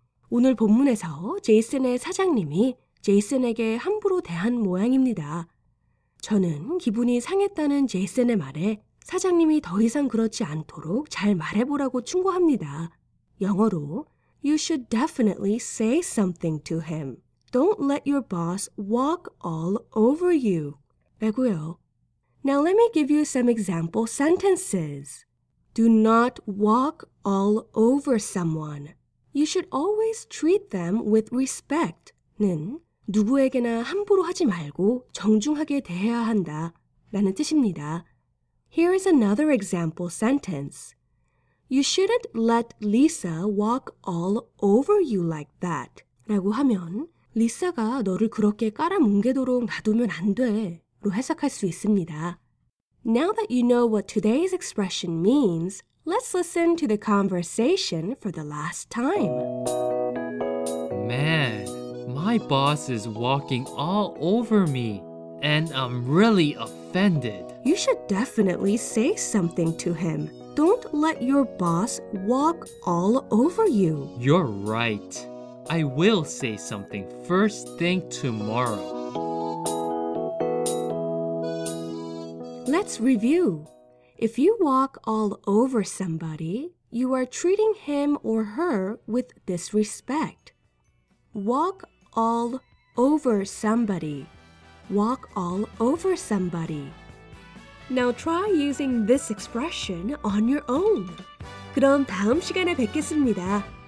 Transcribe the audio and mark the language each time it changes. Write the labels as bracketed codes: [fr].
[ko] 오늘 본문에서 제이슨의 사장님이 제이슨에게 함부로 대한 모양입니다. 저는 기분이 상했다는 제이슨의 말에 사장님이 더 이상 그렇지 않도록 잘 말해보라고 충고합니다. 영어로 [en] You should definitely say something to him. Don't let your boss walk all over you. [ko] 라고요. [en] Now let me give you some example sentences. Do not walk all over someone. You should always treat them with respect. [ko] 는 누구에게나 함부로 하지 말고 정중하게 대해야 한다 라는 뜻입니다. [en] Here is another example sentence. You shouldn't let Lisa walk all over you like that. [ko] 라고 하면 리사가 너를 그렇게 깔아뭉개도록 놔두면 안 돼 로 해석할 수 있습니다. [en] Now that you know what today's expression means, let's listen to the conversation for the last time. Man, my boss is walking all over me, and I'm really offended. You should definitely say something to him. Don't let your boss walk all over you. You're right. I will say something first thing tomorrow. Let's review. If you walk all over somebody, you are treating him or her with disrespect. Walk all over somebody. Walk all over somebody. Now try using this expression on your own. [ko] 그럼 다음 시간에 뵙겠습니다.